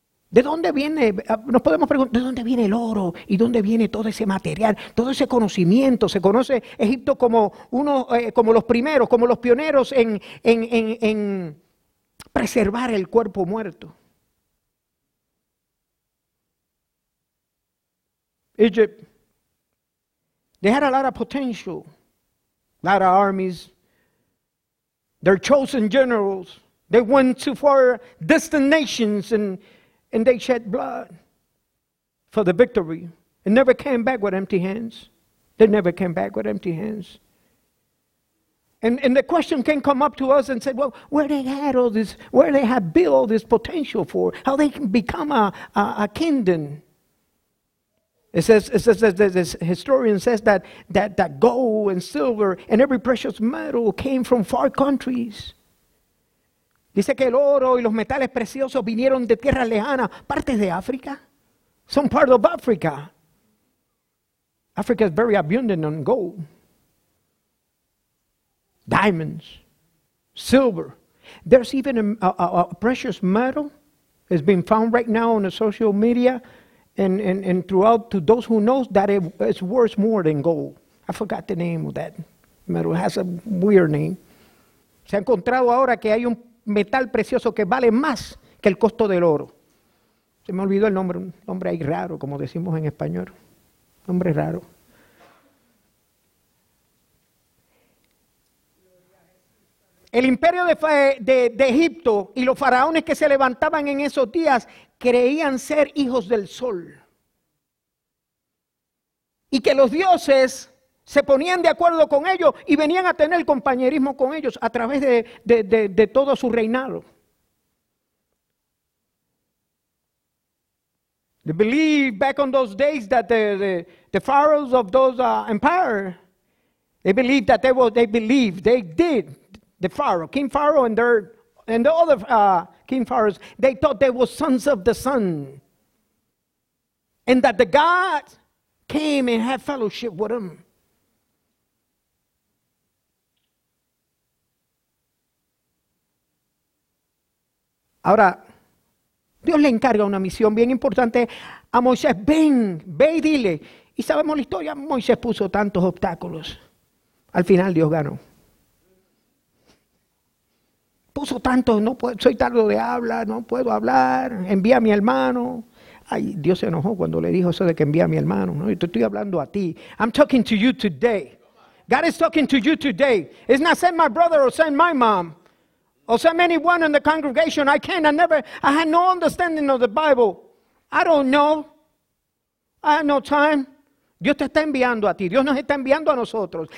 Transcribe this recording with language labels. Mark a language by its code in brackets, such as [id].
[es] ¿De dónde viene? Nos podemos preguntar, ¿de dónde viene el oro? ¿Y dónde viene todo ese material? Todo ese conocimiento. Se conoce Egipto como uno, como los primeros, como los pioneros en preservar el cuerpo muerto. [en] Egypt, they had a lot of potential, a lot of armies, their chosen generals, they went to far distant nations and they shed blood for the victory and never came back with empty hands. They never came back with empty hands. And the question can come up to us and say, well, where they had all this, where they have built all this potential for, how they can become a kingdom. It says, historian says that gold and silver and every precious metal came from far countries. [es] Dice que el oro y los metales preciosos vinieron de tierras lejanas, partes de África. [en] Some part of Africa. Africa is very abundant on gold. Diamonds, silver. There's even a precious metal that's been found right now on the social media and throughout to those who know that it's worth more than gold. I forgot the name of that metal. It has a weird name. [es] Se ha encontrado ahora que hay un metal precioso que vale más que el costo del oro. Se me olvidó el nombre, un nombre ahí raro, como decimos en español. Nombre raro. El imperio de Egipto y los faraones que se levantaban en esos días creían ser hijos del sol. Y que los dioses se ponían de acuerdo con ellos y venían a tener compañerismo con ellos a través de todo su reinado. [en] They believed back on those days that the pharaohs of those empire, they believed that they did. The Pharaoh, King Pharaoh and the other King Pharaohs, they thought they were sons of the sun. And that the God came and had fellowship with them. [es] Ahora, Dios le encarga una misión bien importante a Moisés. Ve y dile. Y sabemos la historia, Moisés puso tantos obstáculos. Al final Dios ganó. Puso tanto, no puedo, soy tardo de hablar, no puedo hablar, envía a mi hermano. Ay, Dios se enojó cuando le dijo eso de que envía a mi hermano. No, yo te estoy hablando a ti. [en] I'm talking to you today. God is talking to you today. It's not send my brother or send my mom or send anyone in the congregation. I had no understanding of the Bible. I don't know. I have no time. [es] Dios te está enviando a ti. Dios nos está enviando a nosotros.